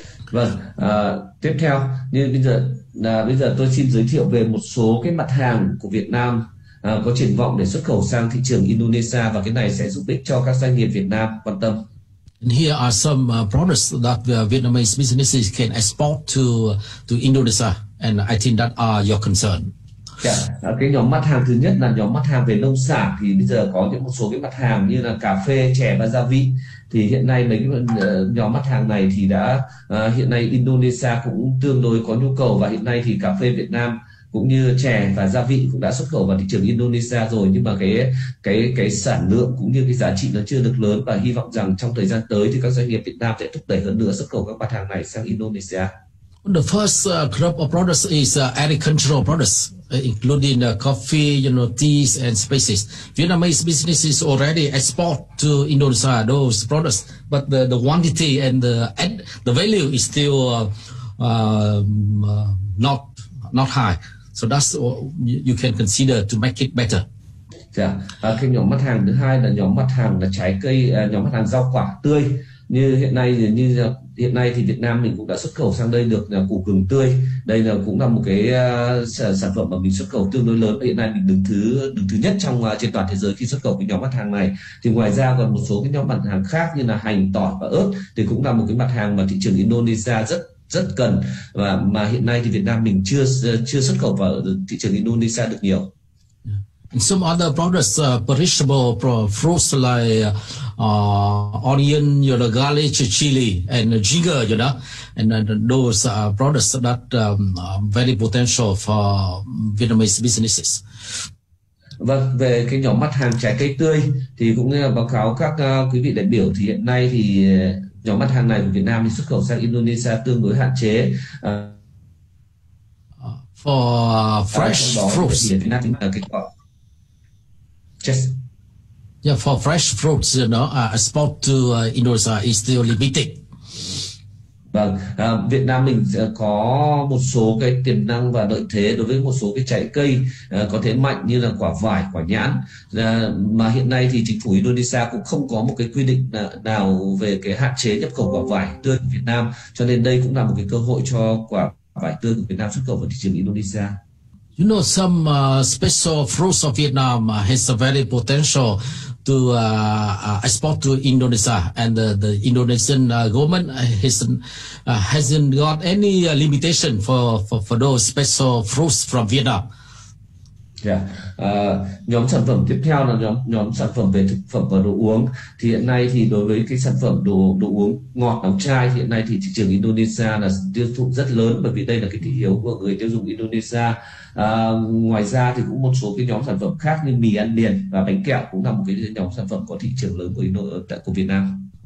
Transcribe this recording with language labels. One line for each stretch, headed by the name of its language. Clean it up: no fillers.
Vietnamese: Vâng, tiếp theo, như bây giờ tôi xin giới thiệu về một số cái mặt hàng của Việt Nam có triển vọng để xuất khẩu sang thị trường Indonesia, và cái này sẽ giúp ích cho các doanh nghiệp Việt Nam quan tâm.
English: And here are some products that Vietnamese businesses can export to Indonesia, and I think that are your concern. Yeah.
Vietnamese: Cái nhóm mặt hàng thứ nhất là nhóm mặt hàng về nông sản, thì bây giờ có những một số cái mặt hàng như là cà phê, chè và gia vị. Thì hiện nay mấy cái nhóm mặt hàng này thì đã hiện nay Indonesia cũng tương đối có nhu cầu, và hiện nay thì cà phê Việt Nam cũng như chè và gia vị cũng đã xuất khẩu vào thị trường Indonesia rồi, nhưng mà cái sản lượng cũng như cái giá trị nó chưa được lớn, và hy vọng rằng trong thời gian tới thì các doanh nghiệp Việt Nam sẽ thúc đẩy hơn nữa xuất khẩu các mặt hàng này sang Indonesia.
English: The first group of products is agricultural products, including coffee, you know, teas and spices. Vietnamese businesses already export to Indonesia those products, but the quantity and the value is still not high. So that's what you can consider to make it better.
Vietnamese: Cái nhóm mặt hàng thứ hai là nhóm mặt hàng là trái cây, nhóm mặt hàng rau quả tươi. Như hiện nay thì Việt Nam mình cũng đã xuất khẩu sang đây được là củ gừng tươi. Đây là cũng là một cái sản phẩm mà mình xuất khẩu tương đối lớn. Hiện nay mình đứng thứ nhất trong trên toàn thế giới khi xuất khẩu cái nhóm mặt hàng này. Thì ngoài ra còn một số cái nhóm mặt hàng khác như là hành, tỏi và ớt, thì cũng là một cái mặt hàng mà thị trường Indonesia rất cần, và mà hiện nay thì Việt Nam mình chưa xuất khẩu vào thị trường Indonesia được nhiều.
English: And some other products, perishable fruits like onion, you know, garlic, chili, and ginger, you know, and those are products that very potential for Vietnamese businesses.
Vietnamese: Vâng, về cái nhóm mặt hàng trái cây tươi thì cũng báo cáo các quý vị đại biểu thì hiện nay thì nhóm mặt hàng này của Việt Nam thì xuất khẩu sang Indonesia tương đối hạn chế.
English: For fresh fruits. Yes. Yeah, for fresh fruits, you know, export to Indonesia is still limited.
Vietnamese: Vâng, Việt Nam mình có một số cái tiềm năng và lợi thế đối với một số cái trái cây có thế mạnh như là quả vải, quả nhãn, mà hiện nay thì chính phủ Indonesia cũng không có một cái quy định nào về cái hạn chế nhập khẩu quả vải tươi của Việt Nam, cho nên đây cũng là một cái cơ hội cho quả vải tươi của Việt Nam xuất khẩu vào thị trường Indonesia.
English: You know, some special fruits of Vietnam has a very potential to export to Indonesia, and the Indonesian government hasn't got any limitation for those special fruits from Vietnam. Yeah.
Vietnamese: Nhóm sản phẩm tiếp theo là nhóm sản phẩm về thực phẩm và đồ uống. Thì hiện nay thì đối với cái sản phẩm đồ uống ngọt đóng chai, hiện nay thì thị trường Indonesia là tiêu thụ rất lớn, bởi vì đây là cái thị hiếu của người tiêu dùng Indonesia. Ngoài ra thì cũng một số cái nhóm sản phẩm khác như mì ăn liền và bánh kẹo cũng là một cái nhóm sản phẩm có thị trường lớn của Việt Nam.